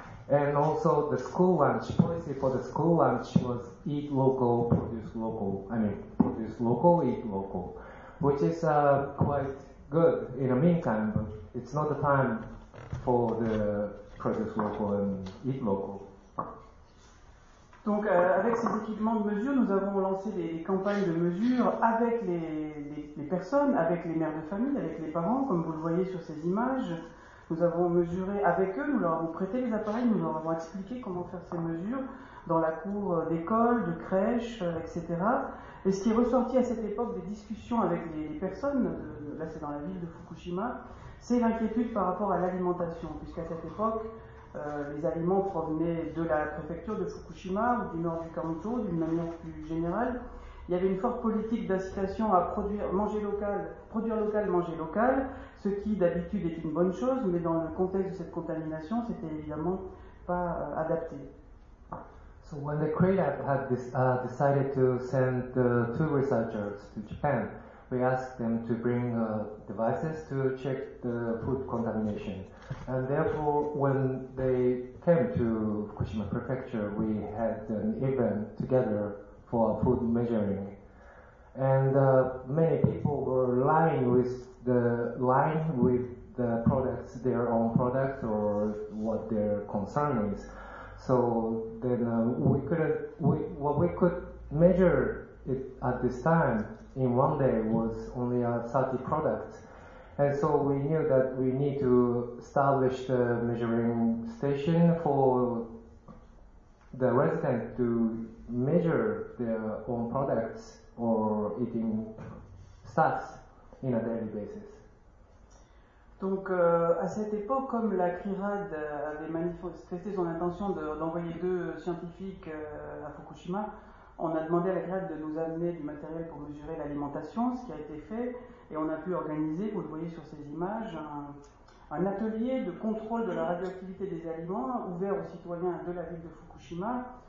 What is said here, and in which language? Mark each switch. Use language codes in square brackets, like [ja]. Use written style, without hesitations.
[en] And also the school lunch, policy for the school lunch was eat local, produce local. I mean, produce local, eat local. Which is quite good in the meantime, but it's not the time for the produce local and eat local. [fr] Donc avec ces équipements de mesure, nous avons lancé des campagnes de mesure avec les personnes, avec les mères de famille, avec les parents, comme vous le voyez sur ces images. Nous avons mesuré avec eux, nous leur avons prêté les appareils, nous leur avons expliqué comment faire ces mesures dans la cour d'école, de crèche, etc. Et ce qui est ressorti à cette époque des discussions avec les personnes, là c'est dans la ville de Fukushima, c'est l'inquiétude par rapport à l'alimentation, puisqu'à cette époque, les aliments provenaient de la préfecture de Fukushima ou du nord du Kanto, d'une manière plus générale. Il y avait une forte politique d'incitation à produire local, manger local, ce qui d'habitude est une bonne chose, mais dans le contexte de cette contamination, c'était évidemment pas adapté. [en] So when the CREDAP had decided to send two researchers to Japan, we asked them to bring devices to check the food contamination. And therefore, when they came to Fukushima Prefecture, we had an event together for food measuring. And many people were lying with the products, their own products, or what their concern is. So then what we could measure it at this time in one day was only 30 products. And so we knew that we need to establish the measuring station for the resident to measure their own products or eating stuffs in a daily basis. [fr] Donc à cette époque, comme la CRIRAD avait manifesté son intention d'envoyer deux scientifiques à Fukushima, on a demandé à la CRIRAD de nous amener du matériel pour mesurer l'alimentation, ce qui a été fait, et on a pu organiser, vous le voyez sur ces images, un atelier de contrôle de la radioactivité des aliments ouvert aux citoyens de la ville de Fukushima.